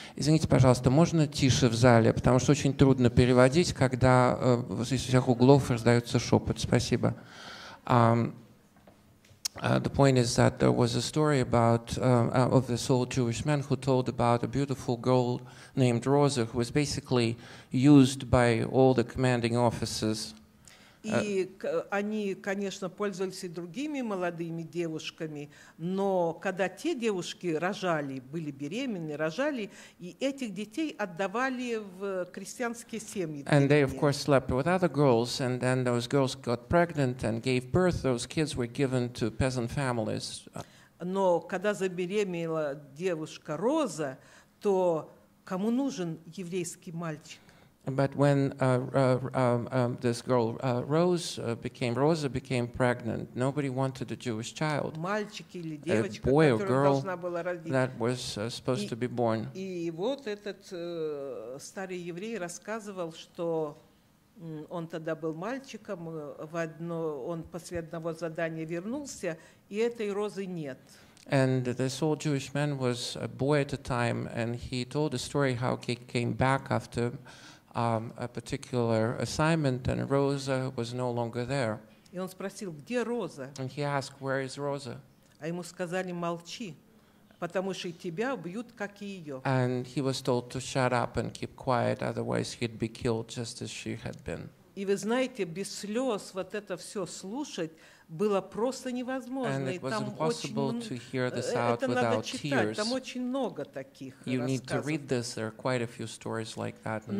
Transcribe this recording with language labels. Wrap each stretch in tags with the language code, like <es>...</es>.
<ru>Извините, пожалуйста, можно тише в зале, потому что очень трудно переводить, когда из всех углов раздается шепот. Спасибо.</ru> <en>The point is that there was a story about of this old Jewish man who told about a beautiful girl named Rosa, who was basically used by all the commanding officers.</en> <ru>И они, конечно, пользовались и другими молодыми девушками, но когда те девушки рожали, были беременны, рожали, и этих детей отдавали в крестьянские семьи.</ru> <en>And they, of course, slept with other girls, and then those girls got pregnant and gave birth. Those kids were given to peasant families.</en> <ru>Но когда забеременела девушка Роза, то кому нужен еврейский мальчик?</ru> <en>But when this girl Rosa became pregnant, nobody wanted a Jewish child, a boy or girl that was supposed to be born.</en> <ru>И вот этот старый еврей рассказывал, что он тогда был мальчиком, он после одного задания вернулся, и этой Розы нет.</ru> <en>And this old Jewish man was a boy at the time, and he told a story how he came back after a particular assignment, and Rosa was no longer there.</en> <ru>И он спросил, где Роза?</ru> <en>And he asked, where is Rosa?</en> <ru>А ему сказали, молчи, потому что тебя бьют, как и ее.</ru> <en>And he was told to shut up and keep quiet, otherwise he'd be killed just as she had been.</en> <ru>И вы знаете, без слез вот это все слушать было просто невозможно.</ru> <en>And it was impossible to hear this out without tears.</en> <ru>Там очень много таких рассказов.</ru> <en>You need to read this. There are quite a few stories like that in the book.</en>